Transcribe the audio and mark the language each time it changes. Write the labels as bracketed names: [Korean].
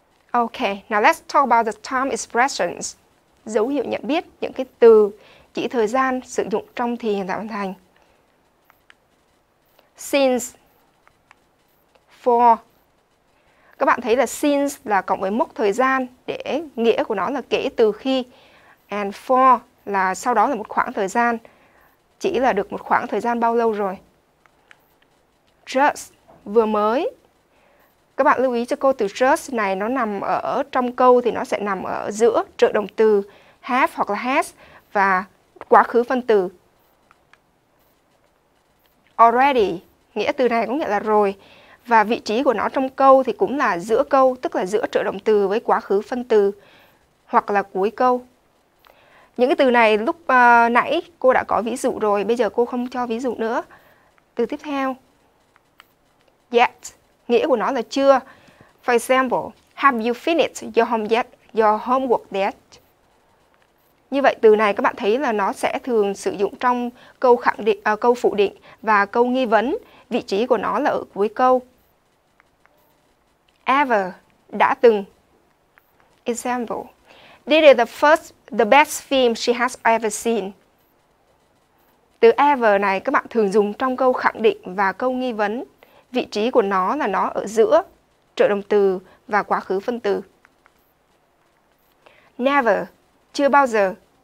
[English] Okay, now let's talk about the time expressions. [Vietnamese] Dấu hiệu nhận biết những cái từ chỉ thời gian sử dụng trong thì hiện tại hoàn thành. Since, for. Các bạn thấy là since là cộng với mốc thời gian để nghĩa của nó là kể từ khi. And for là sau đó là một khoảng thời gian. Chỉ là được một khoảng thời gian bao lâu rồi. Just, vừa mới. Các bạn lưu ý cho cô từ just này nó nằm ở trong câu thì nó sẽ nằm ở giữa trợ động từ have hoặc là has và quá khứ phân từ. Already, nghĩa từ này có nghĩa là rồi. Và vị trí của nó trong câu thì cũng là giữa câu, tức là giữa trợ động từ với quá khứ phân từ hoặc là cuối câu. Những cái từ này lúc nãy cô đã có ví dụ rồi, bây giờ cô không cho ví dụ nữa. Từ tiếp theo. Yet, nghĩa của nó là chưa. [English] For example, have you finished your homework yet? [Vietnamese] Như vậy từ này các bạn thấy là nó sẽ thường sử dụng trong câu khẳng định, câu phủ định và câu nghi vấn. Vị trí của nó là ở cuối câu. Ever, đã từng. Example. [English] This is the best film she has ever seen. [Vietnamese] Từ ever này các bạn thường dùng trong câu khẳng định và câu nghi vấn. Vị trí của nó là nó ở giữa trợ động từ và quá khứ phân từ. Never, chưa bao giờ.